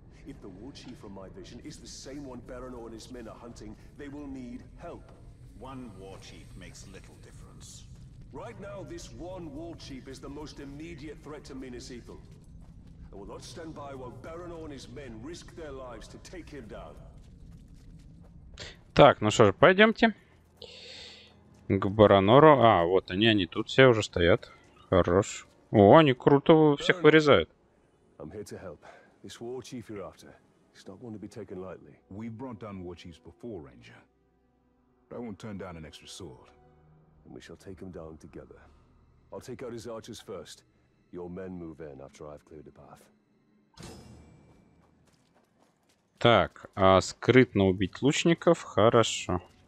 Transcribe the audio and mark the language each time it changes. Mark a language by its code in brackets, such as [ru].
[en] If the war chief from my vision is the same one Baranor and his men are hunting, they will need help. One war chief makes little difference. Right now, this one war chief is the most immediate threat to Minas Ethel. I will not stand by while Baranor and his men risk their lives to take him down. [ru] Так, ну что ж, пойдемте к Баранору. А, вот они тут все уже стоят. Хорош. О, они круто всех вырезают. [en] I'm here to help. This war chief you're after, he's not one to be taken lightly. We've brought down war chiefs before, Ranger. But I won't turn down an extra sword. And we shall take him down together. I'll take out his archers first. Your men move in after I've cleared a path. [ru] Так, а скрытно убить лучников? Хорошо.